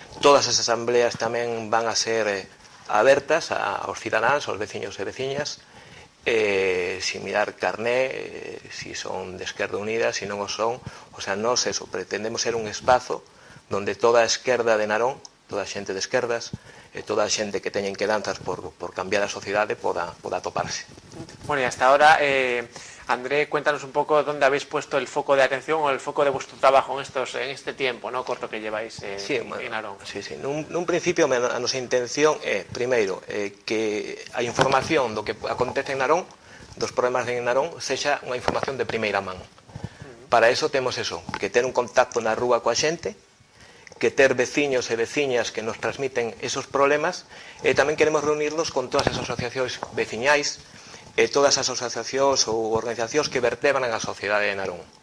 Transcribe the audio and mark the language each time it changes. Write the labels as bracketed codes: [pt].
[gl] Todas as asambleas tamén van a ser abertas aos cidadáns, aos veciños e veciñas, sin mirar carné, si son de Esquerda Unida, si non o son. O sea, nos eso, pretendemos ser un espazo donde toda a esquerda de Narón, toda a xente de esquerdas, toda a xente que teñen quedanzas por cambiar a sociedade, poda toparse. [es] Bueno, e hasta ahora, André, cuéntanos un poco dónde habéis puesto el foco de atención o el foco de vuestro trabajo en este tiempo, ¿no?, corto que lleváis en Narón. Sí, sí. [gl] Nun principio, a nosa intención é, primeiro, que a información do que acontece en Narón, dos problemas en Narón, sexa unha información de primeira man. Para eso temos eso, que ter un contacto na rúa coa xente, que ter veciños e veciñas que nos transmiten esos problemas, e tamén queremos reunirnos con todas as asociacións veciñais, e todas as asociacións ou organizacións que vertebran a sociedade de Narón.